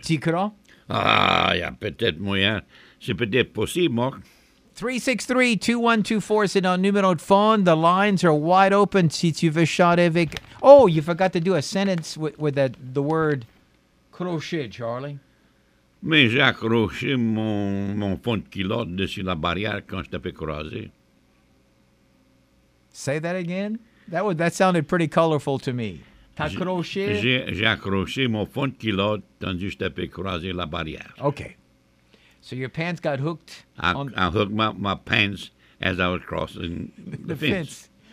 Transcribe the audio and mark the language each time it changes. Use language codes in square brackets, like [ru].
[fr] Tu crois? Yeah, peut-être moyen. C'est peut-être possible, Mark. 363-2124, c'est notre numéro de phone. [en] The lines are wide open. [fr] Si tu veux chanter avec... [en] Oh, you forgot to do a sentence with the word crochet, Charlie. [fr] Mais j'ai accroché mon fond de culotte dessus la barrière quand je t'ai fait croiser. [en] Say that again? That sounded pretty colorful to me. [fr] T'as accroché? J'ai accroché mon fond de culotte tandis que je t'ai fait croiser la barrière. [en] Okay. So your pants got hooked? I hooked my pants as I was crossing the fence.